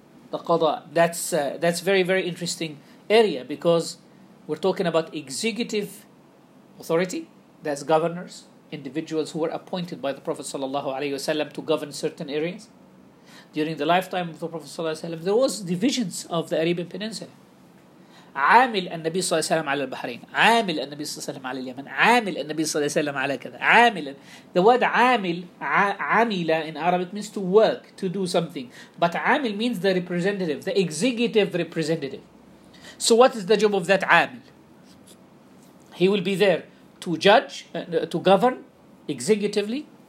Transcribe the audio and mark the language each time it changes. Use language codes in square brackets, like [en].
[en] That's very, very interesting area, because we're talking about executive authority, that's governors, individuals who were appointed by the Prophet sallallahu alaihi wasallam to govern certain areas. during the lifetime of the Prophet [ar] صلى الله عليه وسلم, [en] there was divisions of the Arabian Peninsula. [ar] عامل النبي صلى الله عليه وسلم على البحرين, عامل النبي صلى الله عليه وسلم على اليمن, عامل النبي صلى الله عليه وسلم على كذا, عامل. [en] The word عامل, عامل in Arabic means to work, to do something. But عامل means the representative, the executive representative. So what is the job of that عامل? He will be there to judge, to govern executively.